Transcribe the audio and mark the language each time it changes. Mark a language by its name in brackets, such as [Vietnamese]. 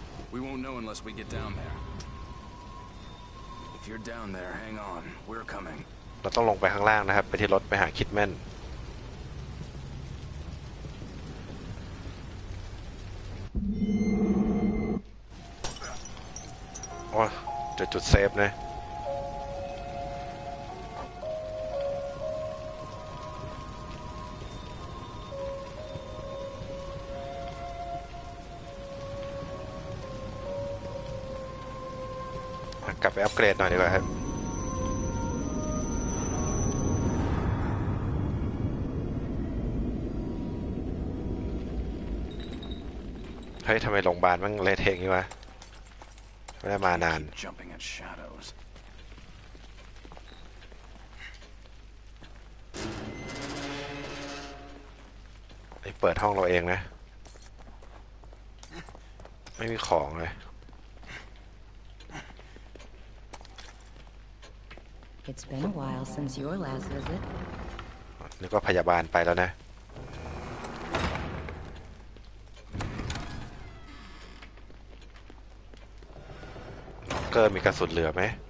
[English] We won't know unless we get down thereIf you're down there, hang on. We're coming. [Thai] เราต้องลงไปข้างล่างนะครับไปที่รถไปหาคิดแม่นโอ้ยจะจุดเซฟนะ กลับไปอัปเกรดหน่อยดีกว่าครับเฮ้ยทำไมโรงพยาบาลมันเละเทะงี้วะไม่ได้มานาน เฮ้ยเจ้า เปิดห้องเราเองนะไม่มีของเลย [English] It's been a while since your last visit. [Thai] นึกว่าพยาบาลไปแล้วนะล็อกเกอร์มีกระสุนเหลือไห